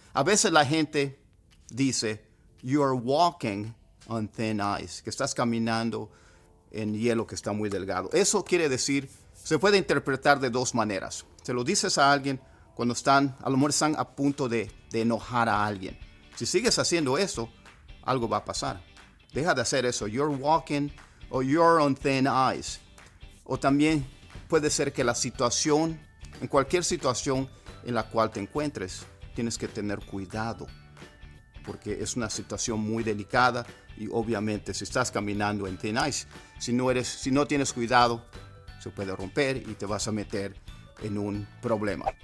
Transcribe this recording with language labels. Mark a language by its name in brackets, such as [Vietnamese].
[Spanish] A veces la gente dice, [English] you're walking on thin ice. [Spanish] Que estás caminando en hielo que está muy delgado. Eso quiere decir, se puede interpretar de dos maneras. Se lo dices a alguien cuando están, a lo mejor están a punto de enojar a alguien. Si sigues haciendo eso, algo va a pasar. Deja de hacer eso. [English] You're walking or you're on thin ice. [Spanish] O también puede ser que la situación, en cualquier situación en la cual te encuentres, tienes que tener cuidado. Porque es una situación muy delicada y obviamente si estás caminando en thin ice, si no tienes cuidado, se puede romper y te vas a meter en un problema.